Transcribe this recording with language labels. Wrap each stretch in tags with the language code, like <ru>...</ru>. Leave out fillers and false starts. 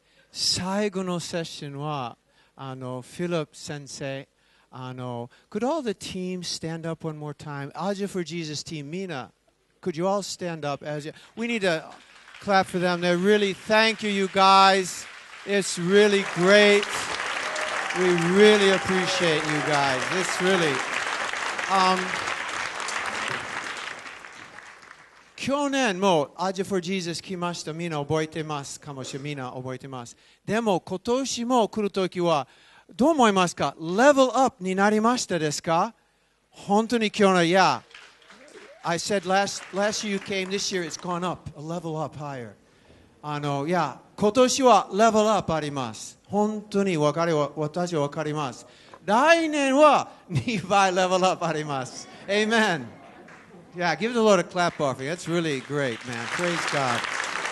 <ja>最後のセッションはフィリップ先生。</ja> <en>Could all the team stand up one more time? Aja for Jesus team, Mina, could you all stand up? We need to clap for them. They're really, thank you, you guys. It's really great. We really appreciate you guys. It's really.</en> <ja>去年もAja for Jesus 来ました。みんな覚えてますかもしれない。みんな覚えてます。でも今年も来るときは、どう思いますか？レベルアップになりましたですか？本当に今日の、yeah.</ja> <en>I said last year you came, this year it's gone up, a level up higher. Yeah.</en> <ja>今年はレベルアップあります。本当に分かる、私は分かります。来年は2倍レベルアップあります。</ja> <en>Amen. Yeah, give the Lord a clap offering. That's really great, man. Praise God.</en>